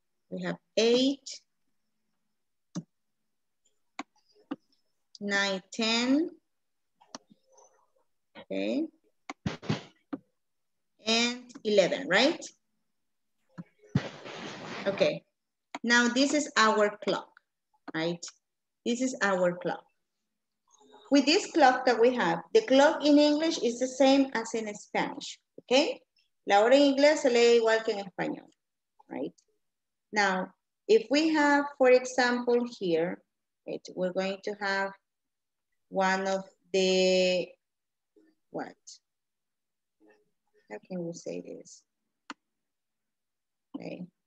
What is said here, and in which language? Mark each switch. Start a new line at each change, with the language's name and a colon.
English: We have eight, nine, 10, okay, and 11, right? Okay, now this is our clock, right? This is our clock. With this clock that we have, the clock in English is the same as in Spanish, okay?
Spanish: La hora en inglés se lee igual que en español, right?
English: Now, if we have, for example, here, right, we're going to have one of the, what? How can we say this? Okay.